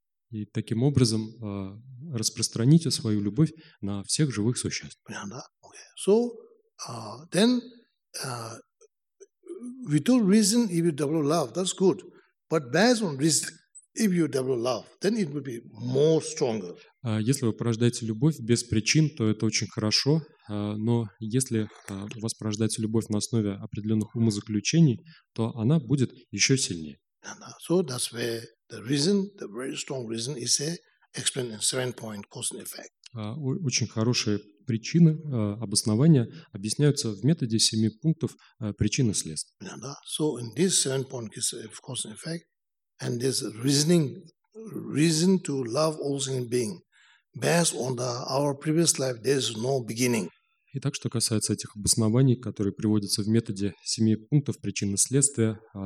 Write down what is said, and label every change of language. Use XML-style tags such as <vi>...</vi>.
<ru>И таким образом распространите свою любовь на всех живых существ. Понятно?</ru> <en>Okay. So, then, without reason, if you develop love, that's good. But based on reason, if you develop love, then it will be more stronger.</en> <ru>Если вы порождаете любовь без причин, то это очень хорошо. Но если у вас порождается любовь на основе определенных умозаключений, то она будет еще сильнее.</ru> <en>So that's where the reason, the very strong reason, is explained in 7-point cause and effect.</en> <ru>Очень хорошие причины, обоснования объясняются в методе 7 пунктов причин и следствий.</ru> <en>Yeah, so in this 7-point cause and effect, and this reasoning, reason to love all sentient beings, based on the, our previous life, there is no beginning.</en> <ru>Итак, что касается этих обоснований, которые приводятся в методе 7 пунктов причин и следствия,</ru>